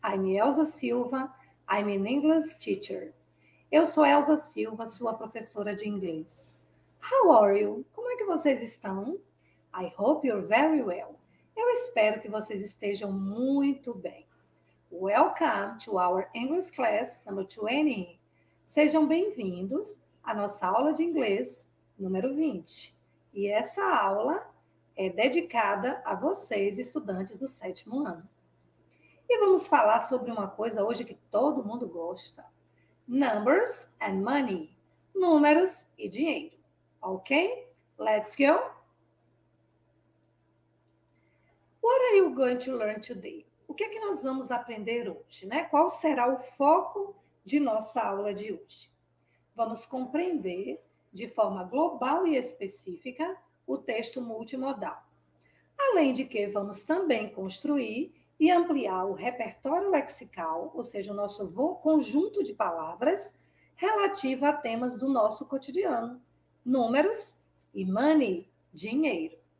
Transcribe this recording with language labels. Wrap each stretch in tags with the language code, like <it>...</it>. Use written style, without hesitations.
<en>I'm Elsa Silva, I'm an English teacher.</en> <pt>Eu sou Elsa Silva, sua professora de inglês.</pt> <en>How are you?</en> <pt>Como é que vocês estão?</pt> <en>I hope you're very well.</en> <pt>Eu espero que vocês estejam muito bem.</pt> <en>Welcome to our English class number 20.</en> <pt>Sejam bem-vindos à nossa aula de inglês número 20. E essa aula é dedicada a vocês, estudantes do sétimo ano. E vamos falar sobre uma coisa hoje que todo mundo gosta.</pt> <en>Numbers and money.</en> <pt>Números e dinheiro.</pt> <en>Ok? Let's go! What are you going to learn today?</en> <pt>O que é que nós vamos aprender hoje, né? Qual será o foco de nossa aula de hoje? Vamos compreender de forma global e específica o texto multimodal. Além de que vamos também construir e ampliar o repertório lexical, ou seja, o nosso conjunto de palavras relativo a temas do nosso cotidiano, números e money, dinheiro.</pt>